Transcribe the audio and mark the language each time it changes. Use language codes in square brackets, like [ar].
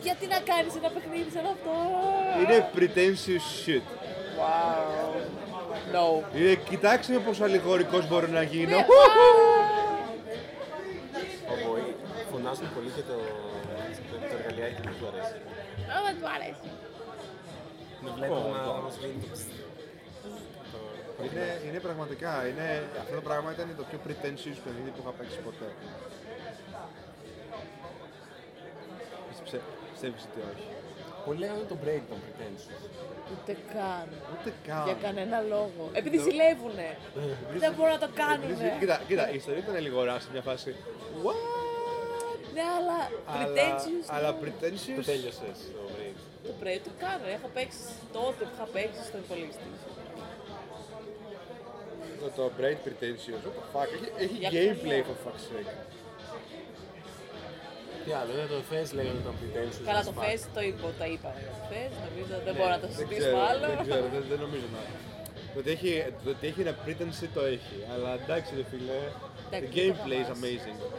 [el] Γιατί να κάνεις ένα παιχνίδι σαν αυτό? Είναι [en] pretentious shit. Wow. No. [el] Είναι, κοιτάξτε με πόσο αλληγορικός μπορώ να γίνω. Ωμποί, φωνάζουν πολύ και το εργαλειάκι δεν του αρέσει. Δεν του αρέσει. Με βλέπω να μας βγαίνει το είναι, είναι πραγματικά, είναι, αυτό το πράγμα ήταν το πιο pretentious παιχνίδι που είχα παίξει ποτέ. Πιστεύεις ότι όχι. Πολλοί λένε το break των pretentious. Ούτε καν. Ούτε καν. Για κανένα λόγο. Επειδή ζηλεύουνε. Δεν μπορούν να το κάνουνε. Κοίτα, κοίτα, η ιστορία ήταν λίγο ωραία σε μια φάση. [en] What? [el] Ναι, αλλά pretentious. Αλλά pretentious. Το τέλειωσες το break. Το break, το κάνω. Έχω παίξει τότε που είχα παίξει στον υπολογιστή. Το Braid Pretentious, [en] what the fuck, [el] έχει gameplay [en] for fuck's sake. [el] Τι άλλο, δεν το Fez λέγανε το Pretentious. Καλά, το Fez το είπα, τα είπα. Fez, νομίζω, δεν μπορώ να το συζητήσω άλλο. Δεν ξέρω, δεν νομίζω να. Το ότι έχει ένα pretense το έχει, αλλά εντάξει ρε φίλε, [en] the gameplay is amazing.